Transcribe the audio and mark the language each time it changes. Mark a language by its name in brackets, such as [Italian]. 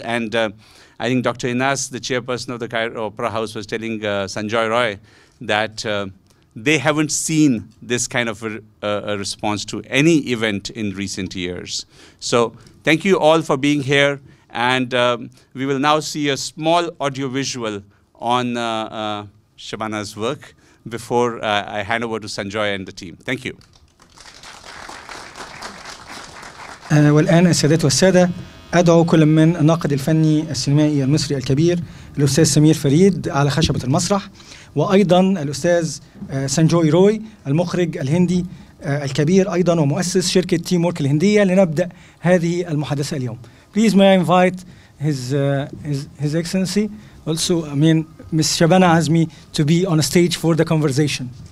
[English] And I think Dr. Inas, the chairperson of the Cairo Opera House, was telling Sanjoy Roy that they haven't seen this kind of a response to any event in recent years. So thank you all for being here. And we will now see a small audiovisual on Shabana's work before I hand over to Sanjoy and the team. Thank you. [Arabic] والآن السادات والسادة أدعو كل من الناقد الفني السينمائي المصري الكبير الأستاذ سمير فريد على خشبة المسرح وأيضا الأستاذ سانجوي روي المخرج الهندي الكبير أيضا ومؤسس شركة تيم وورك الهندية لنبدأ هذه المحادثة اليوم. [English] Please may I invite his excellency also I mean Ms. Shabana Azmi to be on a stage for the conversation.